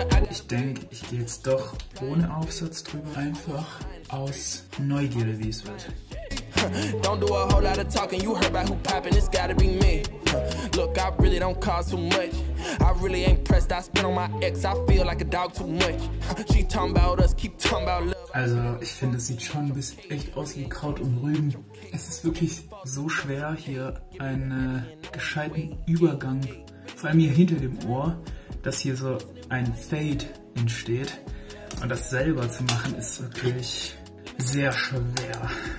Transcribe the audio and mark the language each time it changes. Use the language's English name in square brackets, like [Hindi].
[German] Ich denke, ich gehe jetzt doch ohne Aufsatz drüber, einfach aus Neugierde, wie es wird. [English] Don't do a whole lot of talking, you heard about who poppin', it's gotta be me. Look, I really don't cause too much. I really ain't pressed, I spit on my ex, I feel like a dog too much. She talking about us, keep talking about love. [German] Also, ich finde, es sieht schon ein bisschen echt aus wie Kraut und Rüben. Es ist wirklich so schwer, hier einen gescheiten Übergang, vor allem hier hinter dem Ohr, dass hier so ein Fade entsteht. Und das selber zu machen, ist wirklich sehr schwer.